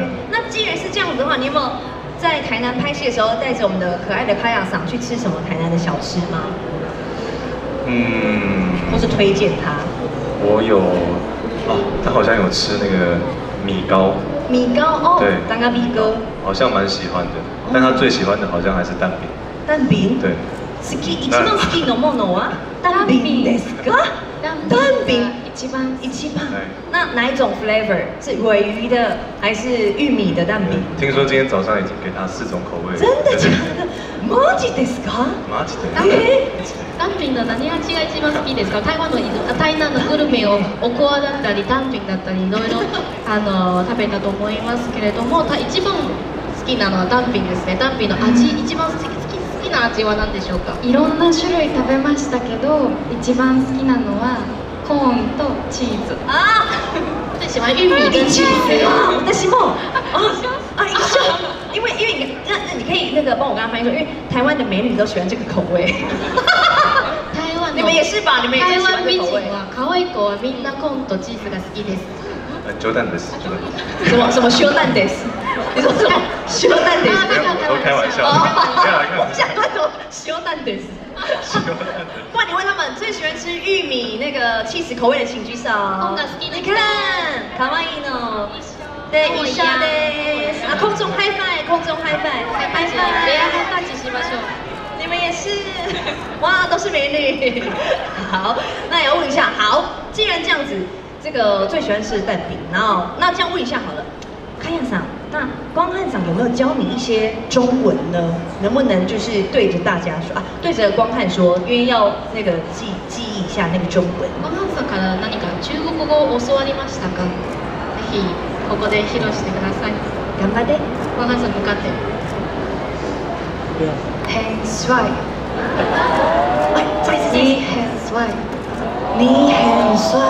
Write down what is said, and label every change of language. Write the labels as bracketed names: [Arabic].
[Chinese] 那既然是这样子的话，你有没有在台南拍戏的时候带着我们的可爱的卡雅桑去吃什么台南的小吃吗？嗯，或是推荐他？我有啊，他好像有吃那个米糕。米糕哦，对，蛋糕米糕，好像蛮喜欢的。但他最喜欢的好像还是蛋饼。蛋饼？对。 [Japanese] 好き一番好きのものは蛋饼ですか？ [Chinese] 蛋饼 [Japanese] 一番一番。 [Chinese] 那哪一种 flavor 是鲔鱼的还是玉米的蛋饼？听说今天早上已经给他四种口味。真的假的？ [Japanese] マジですか？マジで。蛋饼的何味が一番好きですか？台湾の台南のグルメをおこわだったり蛋饼だったりいろいろ食べたと思いますけれども、他一番好きなのはダンピンですね。ダンピンの味、一番好きな味は何でしょうか。いろんな種類食べましたけど、一番好きなのはコーンとチーズ。あ、私はユミとチーズ。私も。あ、一緒。 [Chinese] 因为那你可以那个帮我跟他翻译说，因为台湾的美女都喜欢这个口味。台湾你们也是吧？你们也是喜欢这个口味。 [Japanese] 台湾美女は可愛い子はみんなコーンとチーズが好きです。冗談です。 [Chinese] 什么修蛋的？你说什么修蛋的？都开玩笑。我想问什么修蛋的？修蛋的。不然你问他们最喜欢吃玉米那个起司口味的，请举手。你看， [Japanese] 可愛いの。 [Chinese] 对，一下的。啊，空中 high five， 空中 high five， high five， 不要害怕，举起手。你们也是，哇，都是美女。好，那也要问一下，好，既然这样子。这个最喜欢吃的蛋饼，然后那这样问一下好了，康雅桑，那光汉桑有没有教你一些中文呢？能不能就是对着大家说啊，对着光汉说，因为要那个记忆一下那个中文。 [Japanese] 光汉桑から何か中国語を教わりましたか？ぜひここで披露してください。頑張って。光汉桑向かって。変スワイ。はい、 [Chinese] 再次。你很帅。你很帅。